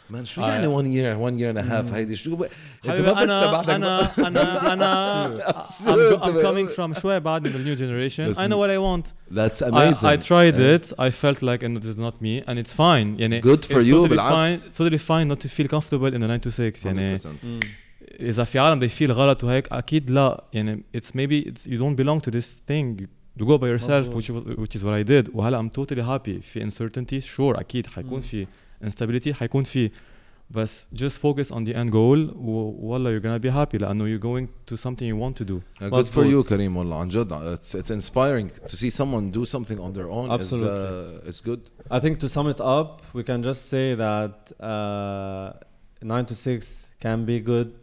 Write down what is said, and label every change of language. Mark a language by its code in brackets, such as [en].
[ar] Man, شو يعني 1 year, 1.5 years هيدي شو [en] أنا coming from [ar] شوية بعد من [en] the new generation. I know what I want. That's amazing. I tried it. I felt like, and this is not me, and it's fine. [ar] يعني [en] good for you. It's totally fine not to feel comfortable in the 9 to 6. 100%. [ar] يعني إذا في عالم [en] they feel [ar] غلط وهيك أكيد لا. [en] يعني it's maybe it's you don't belong to this thing. To go by yourself, which is what I did. وهلا I'm totally happy. في uncertainty, sure, أكيد [ar] حيكون في [en] instability, حيكون في, بس just focus on the end goal. والله you're gonna be happy. لأنه you're going to something you want to do. Good for you, Karim. [ar] والله عن جد, [en] it's inspiring to see someone do something on their own. Absolutely, it's good. I think to sum it up, we can just say that 9 to 6 can be good.